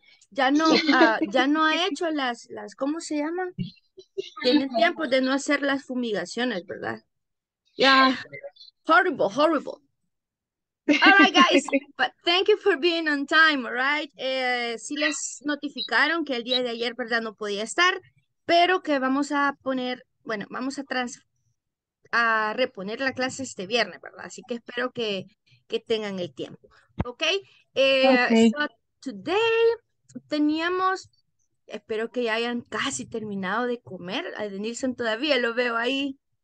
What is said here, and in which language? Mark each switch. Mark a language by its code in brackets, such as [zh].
[es] Ya no ha hecho las ¿cómo se llaman? Tienen tiempo de no hacer las fumigaciones, ¿verdad? [en] Yeah. Horrible, horrible. All right, guys, but thank you for being on time, all right? [es] Sí les notificaron que el día de ayer, ¿verdad? No podía estar, pero que vamos a poner, bueno, vamos a reponer la clase este viernes, ¿verdad? Así que espero que tengan el tiempo. Ok, [en] Okay. so today [es] teníamos, espero que ya hayan casi terminado de comer, a Denilson todavía lo veo ahí.